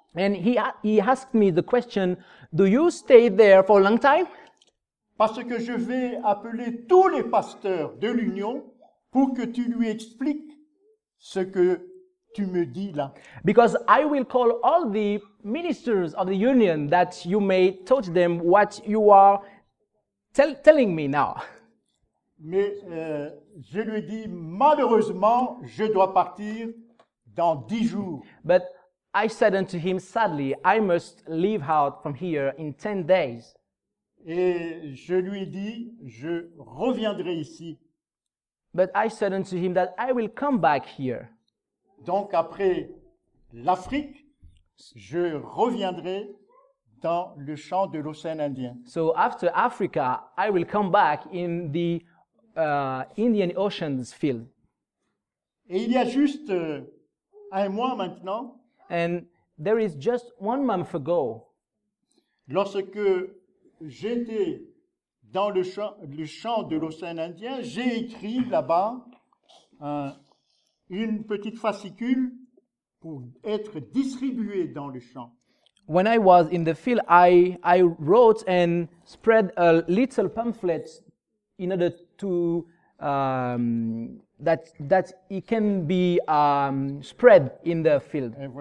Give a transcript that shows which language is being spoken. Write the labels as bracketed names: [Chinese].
[English] And he asked me the question, do you stay there for a long time? [French] Parce que je vais appeler tous les pasteurs de l'Union pour que tu lui expliques ce que tu me dis là. [English] Because I will call all the ministers of the Union that you may teach them what you are telling me now. [French] Mais je lui ai dit, malheureusement, je dois partir dans 10 jours. [English] But I said unto him, sadly, I must leave out from here in 10 days. [French] Et je lui ai dit, je reviendrai ici. [English] But I said unto him that I will come back here. [French] Donc après l'Afrique, je reviendrai dans le champ de l'océan Indien. [English] So after Africa, I will come back in the Indian Ocean's field. [French] Et il y a juste un mois maintenant. [English] And there is just 1 month ago. [French] Lorsque j'étais dans le champ de l'océan Indien, j'ai écrit là-bas une petite fascicule pour être distribuée dans le champ. [English] When I was in the field, I wrote and spread a little pamphlet in order to that it can be spread in the field.